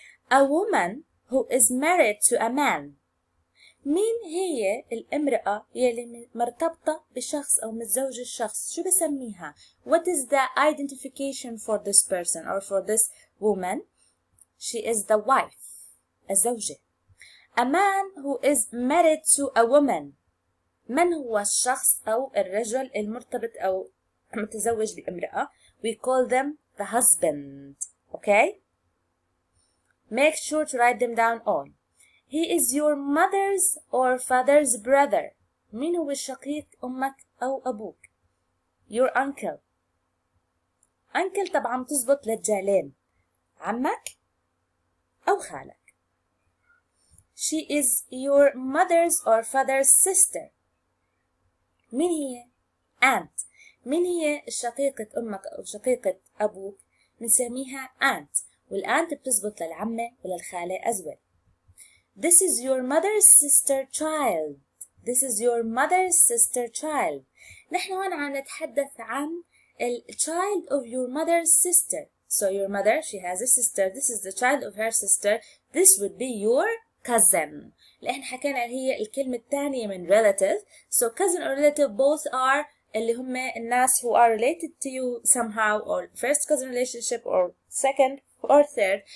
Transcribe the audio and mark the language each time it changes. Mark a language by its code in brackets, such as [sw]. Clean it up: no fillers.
[en] A woman who is married to a man. [ar] مين هي الامرأة يلي مرتبطة بشخص أو متزوجة شخص؟ شو بسميها؟ [en] What is the identification for this person or for this woman? She is the wife, الزوجة. A man who is married to a woman. [ar] من هو الشخص أو الرجل المرتبط أو متزوج بامرأة؟ [en] We call them the husband. Okay? Make sure to write them down all. He is your mother's or father's brother. [ar] مين هو الشقيق أمك أو أبوك؟ [en] Your uncle. [ar] أنكل طبعا تزبط للجالين. عمك أو خالك. [en] She is your mother's or father's sister. [ar] مين هي؟ Aunt. مين هي شقيقة أمك أو شقيقة أبوك؟ نسميها aunt. والأنت بتزبط للعمة وللخالة أزول. [en] This is your mother's sister child. This is your mother's sister child. [ar] نحن هون عم نتحدث عن [en] child of your mother's sister. So your mother, she has a sister. This is the child of her sister. This would be your cousin. [ar] لأن حكينا هي الكلمة الثانية من relative. [en] So cousin or relative both are [ar] اللي هم الناس [en] who are related to you somehow or first cousin relationship or second or third.